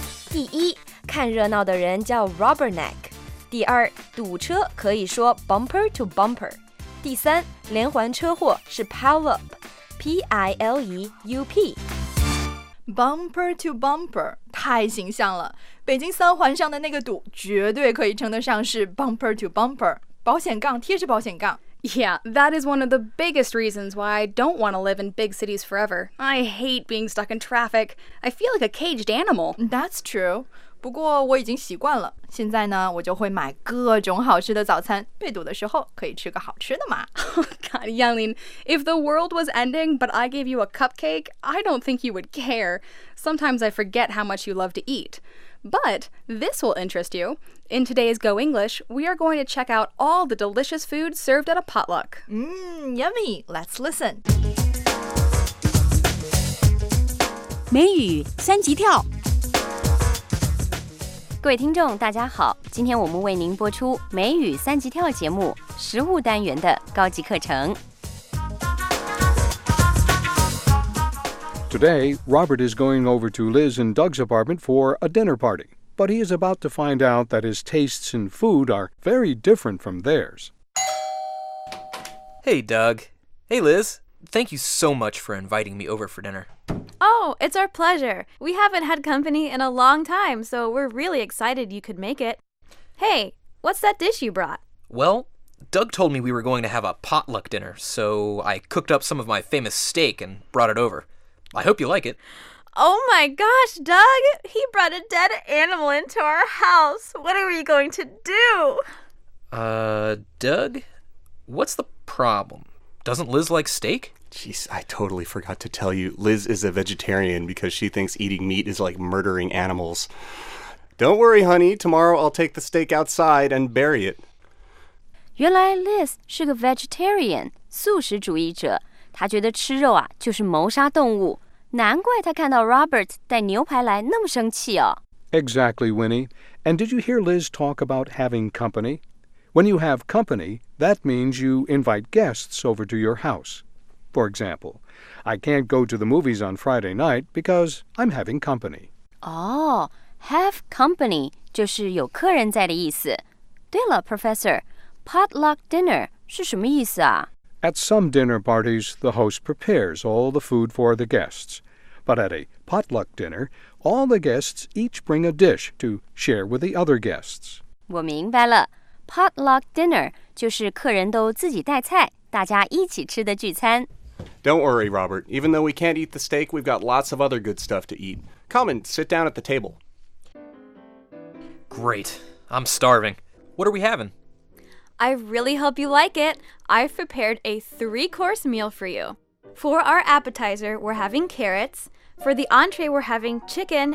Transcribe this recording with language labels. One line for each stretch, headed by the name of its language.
Chinese: 第一，看热闹的人叫 rubberneck。第二，堵车可以说 bumper to bumper。第三，连环车祸是 pile up， P-I-L-E-U-P。 Bumper to bumper， 太形象了。北京三环上的那个堵，绝对可以称得上是 bumper to bumper， 保险杠贴着保险杠。
English: Yeah, that is one of the biggest reasons why I don't want to live in big cities forever. I hate being stuck in traffic. I feel like a caged animal. That's true.
Chinese: 不过我已经习惯了。现在呢，我就会买各种好吃的早餐，被堵的时候可以吃个好吃的嘛。
English: God, Yanglin, if the world was ending but I gave you a cupcake, I don't think you would care. Sometimes I forget how much you love to eat. But this will interest you. In today's Go English, we are going to check out all the delicious food served at a potluck. Yummy! Let's listen.
Chinese: 美语三级跳。各位听众，大家好，今天我们为您播出美语三级跳节目食物单元的高级课程。
English: Today, Robert is going over to Liz and Doug's apartment for a dinner party, but he is about to find out that his tastes in food are very different from theirs. Hey, Doug. Hey, Liz. Thank you so much for inviting me over for dinner. Oh, it's our pleasure. We haven't had company in a long time, so we're really excited you could make it. Hey, what's that dish you brought? Well, Doug told me we were going to have a potluck dinner, so I cooked up some of my famous steak and brought it over. I hope you like it. Oh my gosh, Doug! He brought a dead animal into our house! What are we going to do? Doug? What's the problem? Doesn't Liz like steak? Jeez, I totally forgot to tell you. Liz is a vegetarian because she thinks eating meat is like murdering animals. Don't worry, honey. Tomorrow I'll take the steak outside and bury it.
Chinese: 原来 Liz 是个 vegetarian, 素食主义者。他觉得吃肉啊就是谋杀动物，难怪他看到 Robert 带牛排来那么生气哦。
English: Exactly, Winnie. And did you hear Liz talk about having company? When you have company, that means you invite guests over to your house. For example, I can't go to the movies on Friday night because I'm having company.
Chinese: Oh, have company 就是有客人在的意思。对了 ，Professor, potluck dinner 是什么意思啊？
English: At some dinner parties, the host prepares all the food for the guests. But at a potluck dinner, all the guests each bring a dish to share with the other guests.
Chinese: 我明白了。 Potluck dinner 就是客人都自己带菜，大家一起吃的聚餐。
English: Don't worry, Robert. Even though we can't eat the steak, we've got lots of other good stuff to eat. Come and sit down at the table. Great. I'm starving. What are we having? I really hope you like it. I've prepared a 3-course meal for you. For our appetizer, we're having carrots. For the entree, we're having chicken.